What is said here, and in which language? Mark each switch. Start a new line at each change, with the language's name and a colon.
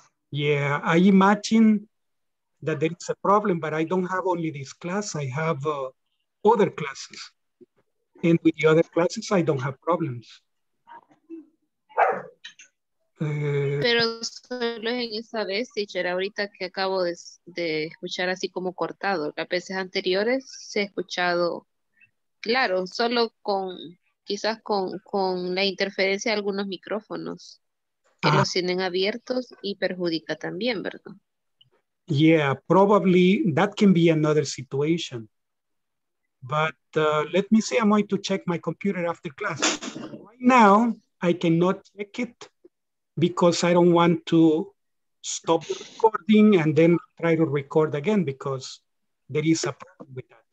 English: Yeah, I imagine that there is a problem, but I don't have only this class, I have other classes. And with the other classes, I don't have problems.
Spanish: Pero solo en esa vez, teacher, ahorita que acabo de escuchar así como cortado. Las veces anteriores se ha escuchado claro, solo con quizás con la interferencia de algunos micrófonos que los tienen abiertos y perjudica también, ¿verdad?
English: Yeah, probably that can be another situation. But let me see, I'm going to check my computer after class. Right now, I cannot check it because I don't want to stop recording and then try to record again because there is a problem with that.